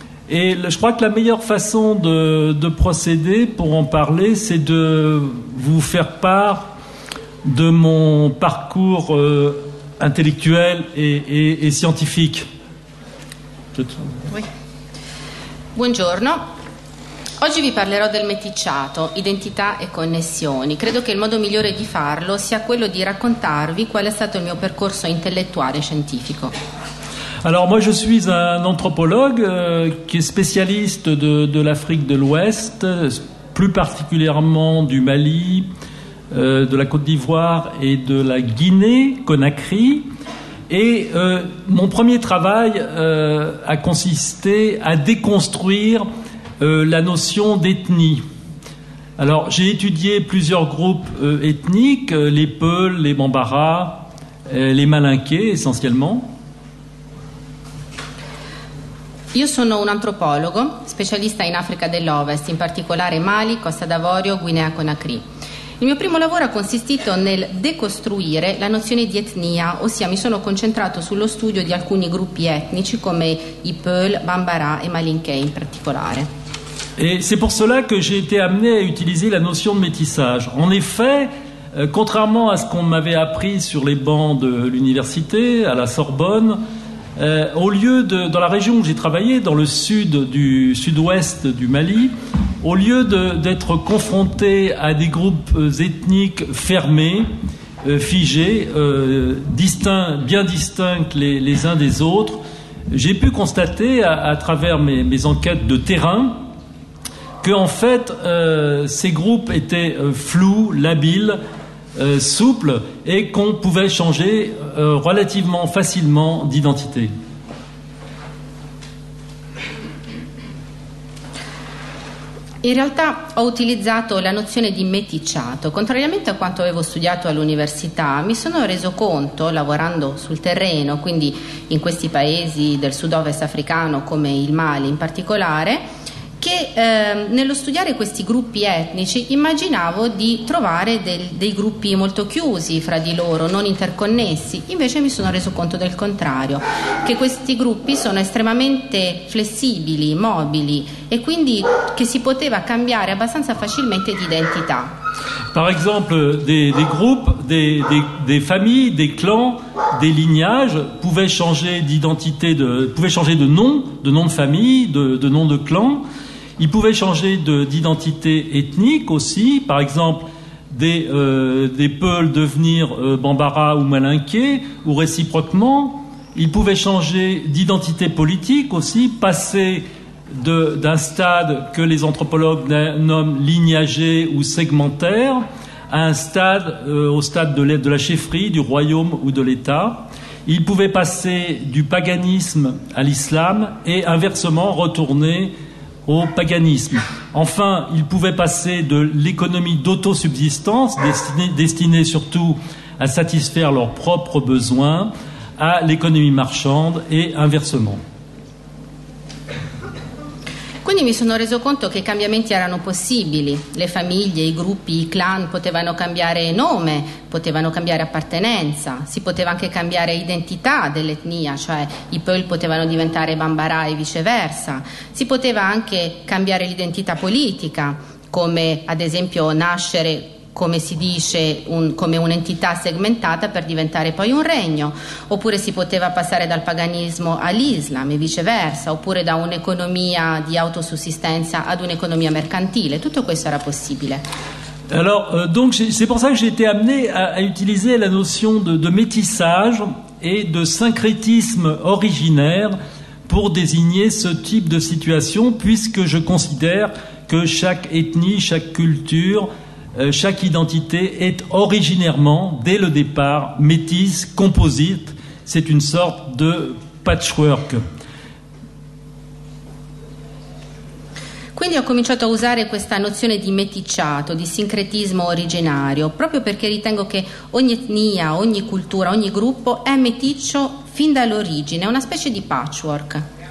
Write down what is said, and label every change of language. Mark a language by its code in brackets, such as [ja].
[fr] Et je crois que la meilleure façon de procéder pour en parler, c'est de vous faire part de mon parcours intellectuel et scientifique. Oui. Bonjour. [it] Oggi vi parlerò del meticciato, identità e connessioni. Credo che il modo migliore di farlo sia quello di raccontarvi qual è stato il mio percorso intellettuale e scientifico. [fr] Alors moi je suis un anthropologue qui est spécialiste de l'Afrique de l'Ouest, plus particulièrement du Mali, de la Côte d'Ivoire et de la Guinée, Conakry. Et mon premier travail a consisté à déconstruire la notion d'ethnie. Alors j'ai étudié plusieurs groupes ethniques, les Peuls, les Bambara, les Malinkés essentiellement. [it] Io sono un antropologo, specialista in Africa dell'Ovest, in particolare Mali, Costa d'Avorio, Guinea Conakry. Il mio primo lavoro ha consistito nel decostruire la nozione di etnia, ossia mi sono concentrato sullo studio di alcuni gruppi etnici come i Peul, Bambara e Malinké in particolare. [fr] E c'est pour cela que j'ai été amené à utiliser la notion de métissage. En effet, contrairement à ce qu'on m'avait appris sur les bancs de l'université, à la Sorbonne, au lieu de, dans la région où j'ai travaillé, dans le sud du sud-ouest du Mali, au lieu d'être confronté à des groupes ethniques fermés, figés, distincts, bien distincts les uns des autres, j'ai pu constater à travers mes enquêtes de terrain qu'en fait, ces groupes étaient flous, labiles, souples et qu'on pouvait changer relativement facilement d'identité. [it] In realtà ho utilizzato la nozione di meticciato. Contrariamente a quanto avevo studiato all'università, mi sono reso conto, lavorando sul terreno, quindi in questi paesi del sud-ovest africano, come il Mali in particolare, che nello studiare questi gruppi etnici immaginavo di trovare dei gruppi molto chiusi fra di loro, non interconnessi. Invece mi sono reso conto del contrario, che questi gruppi sono estremamente flessibili, mobili, e quindi che si poteva cambiare abbastanza facilmente di identità. [fr] Par exemple, des groupes, des familles, des clans, des lignages pouvaient changer d'identité, pouvaient changer de nom de famille, de nom de clan. Ils pouvaient changer d'identité ethnique aussi, par exemple des Peuls devenir Bambara ou Malinké, ou réciproquement. Ils pouvaient changer d'identité politique aussi, passer d'un stade que les anthropologues nomment lignager ou segmentaire à un stade, au stade de la chefferie, du royaume ou de l'État. Ils pouvaient passer du paganisme à l'islam et inversement retourner au paganisme. Enfin, il pouvait passer de l'économie d'autosubsistance, destinée surtout à satisfaire leurs propres besoins, à l'économie marchande et inversement. [it] Quindi mi sono reso conto che i cambiamenti erano possibili. Le famiglie, i gruppi, i clan potevano cambiare nome, potevano cambiare appartenenza, si poteva anche cambiare identità dell'etnia, cioè i Peul potevano diventare Bambara e viceversa. Si poteva anche cambiare l'identità politica, come ad esempio nascere, come si dice, come un'entità segmentata per diventare poi un regno, oppure si poteva passare dal paganismo all'islam e viceversa, oppure da un'economia di autosussistenza ad un'economia mercantile. Tutto questo era possibile. [fr] Alors, donc c'est pour ça que j'ai été amené à utiliser la notion de métissage et de syncrétisme originaire pour désigner ce type de situation, puisque je considère que chaque ethnie, chaque culture, chaque identité est originairement, dès le départ, métisse, composite. C'est une sorte de patchwork. [it] Quindi ho cominciato a usare questa nozione di meticciato, di sincretismo originario, proprio perché ritengo che ogni etnia, ogni cultura, ogni gruppo è meticcio fin dall'origine, è una specie di patchwork.